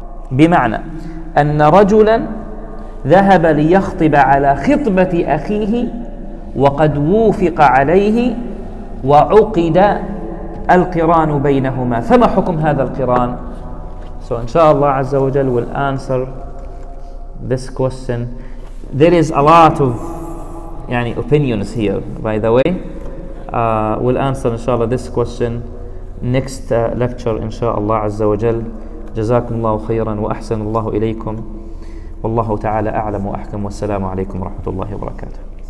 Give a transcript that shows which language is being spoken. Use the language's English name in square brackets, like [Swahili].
[Arabic] بمعنى أن رجلا ذهب ليخطب على خطبة أخيه وقد وافق عليه وعقد القران بينهما، فما حكم هذا القران؟ So إن شاء الله عز وجل [English] will answer this question. There is a lot of يعني opinions here, by the way. We'll answer inshallah this question next lecture inshallah azza wa jal. [Arabic] جزاكم الله خيرا وأحسن الله إليكم، والله تعالى أعلم وأحكم، والسلام عليكم ورحمة الله وبركاته.